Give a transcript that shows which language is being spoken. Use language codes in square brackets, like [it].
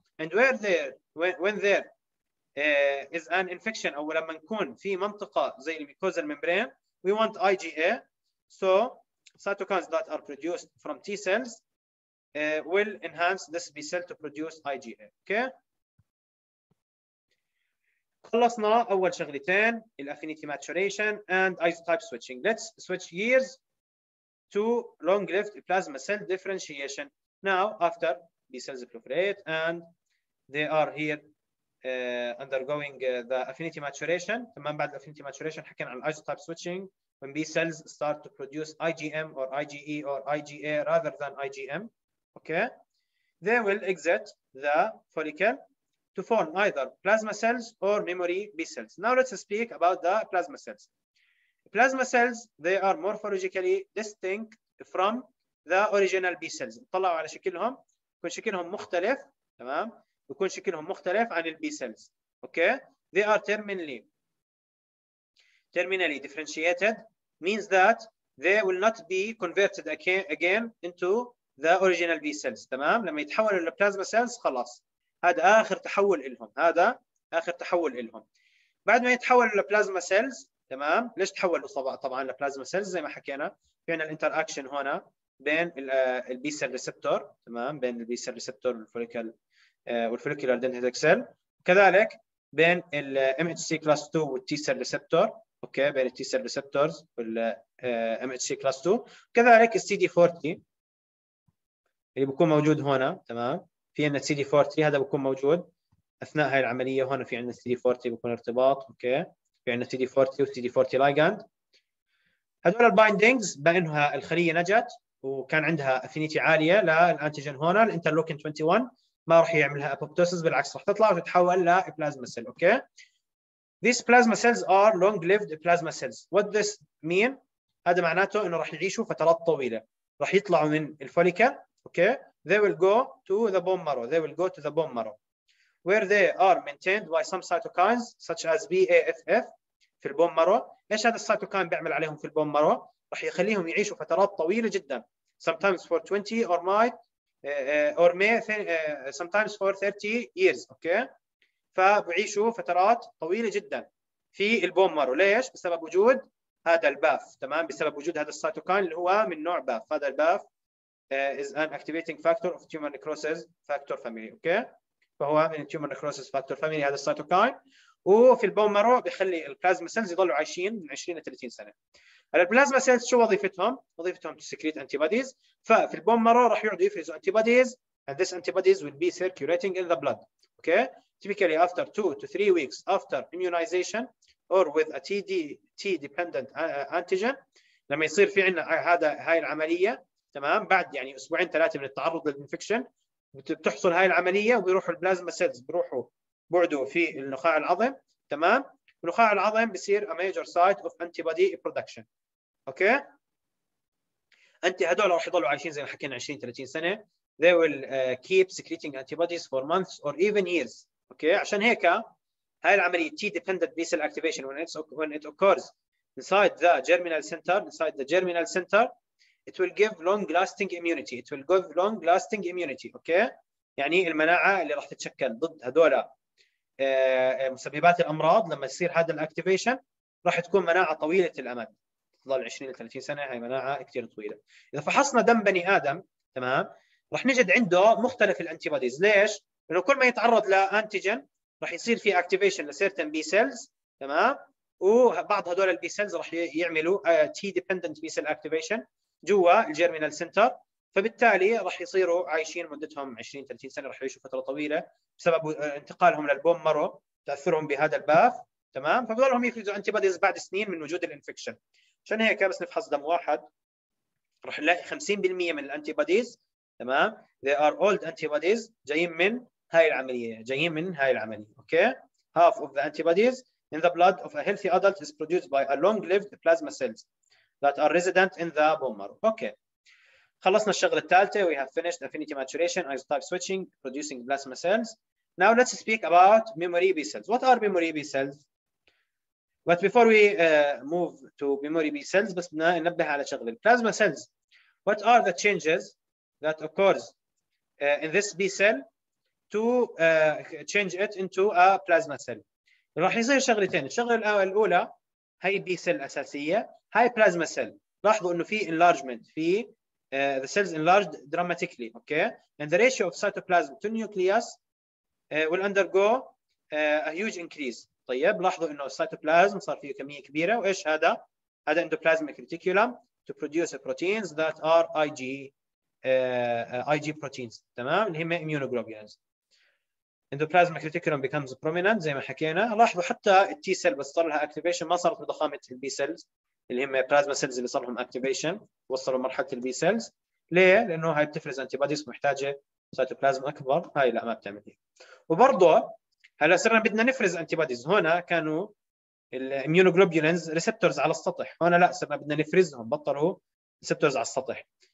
[en] And where there, when there is an infection, [ar] أو لما نكون في منطقة زي الميكوزال ميمبرين, [en] we want IgA. So, cytokines that are produced from T cells will enhance this B cell to produce IgA, okay? [ar] خلصنا أول شغلتين, الأفينيتي ماتوريشن [en] and isotype switching. Let's switch gears to long-lived plasma cell differentiation. Now, after B cells proliferate and they are here undergoing the affinity maturation, [ar] تمام, بعد [en] affinity maturation [ar] حكينا عن [en] isotype switching when B cells start to produce IgM or IgE or IgA rather than IgM. Okay, they will exit the follicle to form either plasma cells or memory B cells. Now let's speak about the plasma cells. Plasma cells, they are morphologically distinct from the original B cells. [ar] طلعوا على شكلهم, يكون شكلهم مختلف, تمام, يكون شكلهم مختلف عن ال B cells. [en] Okay, they are terminally differentiated, means that they will not be converted again into the original B cells, [ar] تمام؟ لما يتحولوا إلى plasma cells خلاص هذا آخر تحول إلهم, [en] هذا آخر تحول إلهم. [ar] بعد ما يتحول إلى plasma cells, تمام؟ ليش تحولوا طبعاً إلى plasma cells؟ زي ما حكينا فينا الانتراكشن هنا بين ال B cell receptor, تمام؟ بين ال B cell receptor والفوليكولار دندريتك سيل, كذلك بين ال MHC class 2 وال T cell receptor, أوكي, بين ال T cell receptors وال MHC class 2, كذلك ال CD40 اللي بيكون موجود هنا, تمام, في عندنا CD40 هذا بيكون موجود اثناء هاي العمليه. هنا في عندنا CD40 بيكون ارتباط, اوكي, في عندنا CD40 وCD40 ligand. هذول البايندينجز بانها الخليه نجت وكان عندها افينيتي عاليه للانتيجن هنا الانترلوكين 21, ما راح يعملها ابوبتوسس, بالعكس راح تطلع وتتحول لبلازما سيل. [en] Okay, these plasma cells are long lived plasma cells. What this mean, [ar] هذا معناته انه راح يعيشوا فترات طويله, راح يطلعوا من الفوليكل. [en] Okay, they will go to the bone marrow. They will go to the bone marrow, where they are maintained by some cytokines such as BAFF. [ar] في البون مارو, إيش هذا السيتوكين بيعمل عليهم في البون مارو؟ راح يخليهم يعيشوا فترات طويلة جدا. [en] Sometimes for 20 or might or may sometimes for 30 years. [ar] Okay, فبيعيشوا فترات طويلة جدا في البون مارو. ليش؟ بسبب وجود هذا الباف. تمام, بسبب وجود هذا السيتوكين اللي هو من نوع باف. هذا الباف [en] is an activating factor of tumor necrosis factor family. Okay, [ar] فهو من [en] tumor necrosis factor family هذا cytokine. [ar] وفي البون مارو بيخلي البلازما سيلز يضلوا عايشين من 20 ل 30 سنه. البلازما سيلز شو وظيفتهم؟ وظيفتهم تسكريت انتي بوديز. ففي البون مارو راح يقعدوا يفرزوا انتي بوديز [en] and this antibodies will be circulating in the blood. Okay? Typically after 2 to 3 weeks after immunization or with a TDT dependent antigen, [ar] لما يصير في عنا هذا هاي العملية تمام بعد يعني أسبوعين ثلاثة من التعرض للإنفكشن بتحصل هاي العملية وبيروحوا البلازما سيلز بيروحوا بعده في النخاع العظم تمام. النخاع العظم بيصير [en] a major site of antibody production. Okay? [ar] أنت هدول راح يضلوا عايشين زي ما حكينا 20 30 سنة. [en] They will keep secreting antibodies for months or even years. Okay. [ar] عشان هيك هاي العملية [en] T-dependent B-cell activation when it occurs inside the germinal center, inside the germinal center, it will give long-lasting immunity. It will give long-lasting immunity. Okay. [ar] يعني المناعة اللي راح تتشكل ضد هذولا مسببات الأمراض لما يصير هذا الactivation راح تكون مناعة طويلة الأمد. تظل 20 إلى 30 سنة هاي مناعة كتير طويلة. إذا فحصنا دم بني آدم تمام. رح نجد عنده مختلف الانتيبوديز. ليش؟ لأنه كل ما يتعرض لانتيجن رح يصير فيه اكتيفيشن لسيرتن بي سيلز تمام؟ وبعض هدول البي سيلز رح يعملوا تي ديبندنت بي سيل اكتيفيشن جوا الجيرمينال سنتر، فبالتالي رح يصيروا عايشين مدتهم 20 30 سنة، رح يعيشوا فترة طويلة بسبب انتقالهم للبوم مارو، تأثرهم بهذا الباف تمام؟ فبضلهم يفرزوا انتيبوديز بعد سنين من وجود الانفكشن. عشان هيك بس نفحص دم واحد رح نلاقي 50% من الانتيبوديز تمام. [en] They are old antibodies [ar] جايين من هاي العملية، [en] جايين من هاي العملية. Okay. Half of the antibodies in the blood of a healthy adult is produced by a long-lived plasma cells that are resident in the bone marrow. [ar] Okay. خلصنا الشغلة الثالثة. [en] We have finished affinity maturation, isotype switching, producing plasma cells. Now let's speak about memory B cells. What are memory B cells? But before we move to memory B cells, [ar] بس ننبه على شغلة [en] plasma cells. What are the changes that occurs in this B cell to change it into a plasma cell. [ar] راح يصير شغلتين. الشغلة الأولى هاي B cell أساسية، هاي plasma cell. لاحظوا إنه في [en] enlargement، في the cells enlarged dramatically. Okay. And the ratio of cytoplasm to nucleus will undergo a huge increase. [ar] طيب لاحظوا إنه cytoplasm صار فيه كمية كبيرة، وإيش هذا؟ هذا endoplasmic reticulum [en] to produce proteins that are IG. IG proteins [ar] تمام اللي هم [en] immunoglobulins. Endoplasmic reticulum becomes prominent [ar] زي ما حكينا. لاحظوا حتى التي سيل بس صار لها activation ما صارت بضخامة البي سيلز اللي هم بلازما سيلز اللي صار لهم activation وصلوا مرحلة البي سيلز. ليه؟ لأنه هاي بتفرز antibodies محتاجة cytoplasm أكبر. هاي لا ما بتعمل هيك. وبرضه هلا صرنا بدنا نفرز antibodies. هنا كانوا immunoglobulins receptors على السطح، هنا لا صرنا بدنا نفرزهم، بطلوا receptors على السطح.